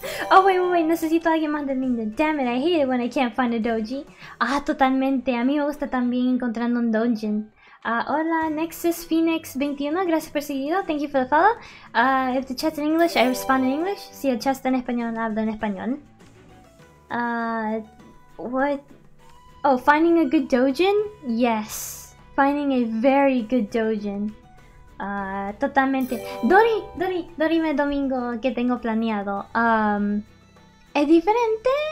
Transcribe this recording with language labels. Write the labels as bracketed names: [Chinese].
[English] Oh, wait, necesito a alguien más de Linda. Damn it, I hate it when I can't find a doji. Ah, totalmente. [Spanish] A mí me gusta también encontrando un dungeon. [English] Hola, Nexus Phoenix 21, gracias por seguido, thank you for the follow. If the chat's in English, I respond in English. [Spanish] Si el chat está en español, hablo en español. [English] What? Oh, finding a good doujin? Yes. Finding a very good doujin. Totalmente. [Spanish] Dori me domingo que tengo planeado. ¿Es diferente?